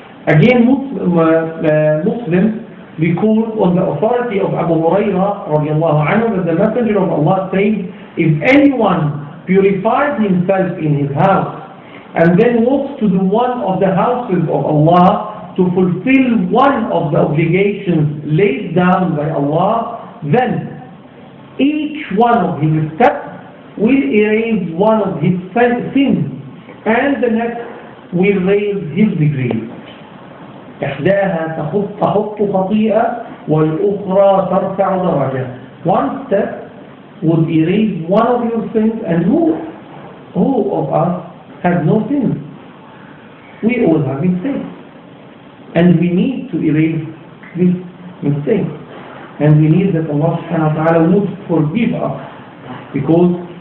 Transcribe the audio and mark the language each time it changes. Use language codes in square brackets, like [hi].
[en] Again, Muslim recalled on the authority of Abu Hurairah radiallahu anhu that the Messenger of Allah said, if anyone purifies himself in his house and then walks to the one of the houses of Allah to fulfill one of the obligations laid down by Allah, then each one of his steps will erase one of his sins, and the next will raise his degree. [ar] إحداها تحط خطيئة والأخرى ترفع درجة. [en] One step would erase one of your sins, and who of us has no sins? We all have mistakes, and we need to erase this mistake, and we need that Allah subhanahu wa ta'ala would forgive us, because